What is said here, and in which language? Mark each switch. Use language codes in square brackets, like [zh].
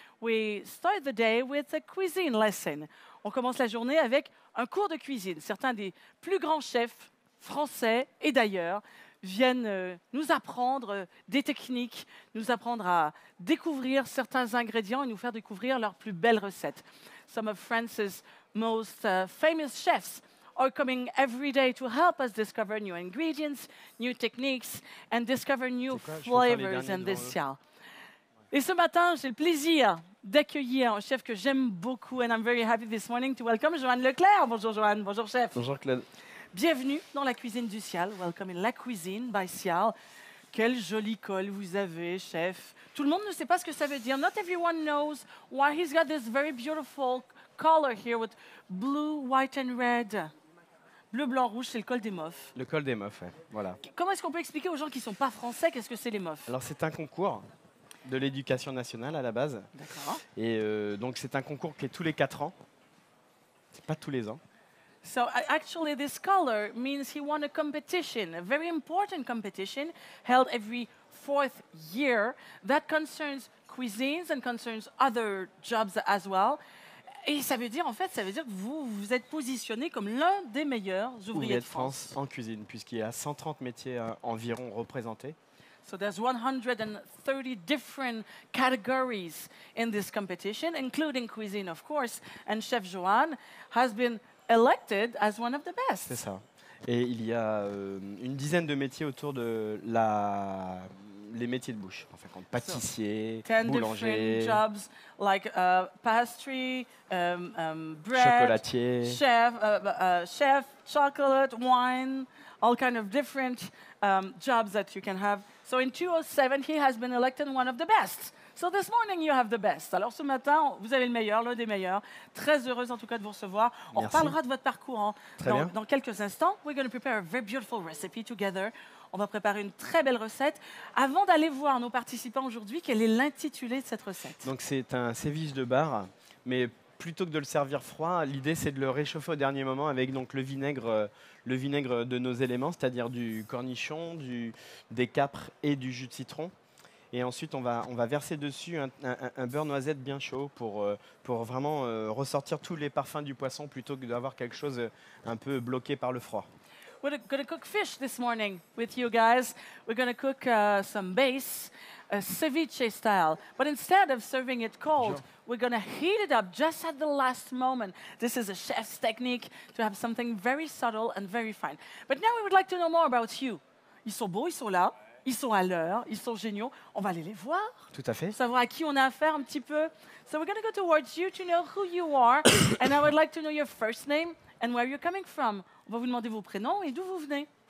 [en] We start the day with a cuisine lesson. [fr] On commence la journée avec un cours de cuisine. Certains des plus grands chefs français et d'ailleurs viennent nous apprendre des techniques, nous apprendre à découvrir certains ingrédients et nous faire découvrir leurs plus belles recettes. [en] Some of France's most famous chefs are coming every day to help us discover new ingredients, new techniques, and discover new flavors in this Ciel. [fr] Et ce matin, j'ai le plaisir d'accueillir un chef que j'aime beaucoup, [en] and I'm very happy this morning to welcome Joanne Leclerc. [fr] Bonjour Joanne, bonjour chef. Bonjour Claude. Bienvenue dans la cuisine du Ciel. [en] Welcome in La Cuisine by Ciel. [fr] Quel joli col vous avez, chef. Tout le monde ne sait pas ce que ça veut dire. [en] Not everyone knows why he's got this very beautiful color here with blue, white and red. [fr] Bleu, blanc, rouge, c'est le col des mofs. Le col des mofs, ouais. Voilà. Comment est-ce qu'on peut expliquer aux gens qui ne sont pas français qu'est-ce que c'est les mofs? Alors c'est un concours de l'éducation nationale à la base. D'accord. Et donc c'est un concours qui est tous les 4 ans. C'est pas tous les ans. [en] So actually, this color means he won a competition, a very important competition held every 4th year that concerns cuisines and concerns other jobs as well. [fr] Et ça veut dire, en fait, ça veut dire que vous vous êtes positionné comme l'un des meilleurs ouvriers de France. En cuisine, puisqu'il y a 130 métiers environ représentés. [en] So there's 130 different categories in this competition, including cuisine, of course. And Chef Joanne has been elected as one of the best. [fr] C'est ça. Et il y a une dizaine de métiers autour de la les métiers de bouche. Enfin, comme pâtissier, boulanger, [en] different jobs like pastry, bread, [fr] chocolatier, [en] chef, chocolate, wine, all kind of different jobs that you can have. So in 2007, he has been elected one of the best. So this morning, you have the best. [fr] Alors ce matin, vous avez le meilleur, l'un des meilleurs. Très heureuse en tout cas de vous recevoir. Merci. On parlera de votre parcours dans quelques instants. [en] We're going to prepare a very beautiful recipe together. [fr] On va préparer une très belle recette. Avant d'aller voir nos participants aujourd'hui, quel est l'intitulé de cette recette? Donc c'est un ceviche de bar, mais plutôt que de le servir froid, l'idée c'est de le réchauffer au dernier moment avec donc le vinaigre de nos éléments, c'est-à-dire du cornichon, des câpres et du jus de citron. Et ensuite, on va verser dessus un beurre noisette bien chaud pour vraiment ressortir tous les parfums du poisson plutôt que d'avoir quelque chose un peu bloqué par le froid. [en] We're going to cook fish this morning with you guys. We're going to cook some base, ceviche style. But instead of serving it cold, we're going to heat it up just at the last moment. This is a chef's technique to have something very subtle and very fine. But now we would like to know more about you. [fr] Ils sont beaux, ils sont là. Ils sont à l'heure, ils sont géniaux. On va aller les voir. Tout à fait. Savoir à qui on a affaire un petit peu. [en] So we're going to go towards you to know who you are. And I would like to know your first name and where you're coming from. [fr] On va vous demander vos prénoms et d'où vous venez.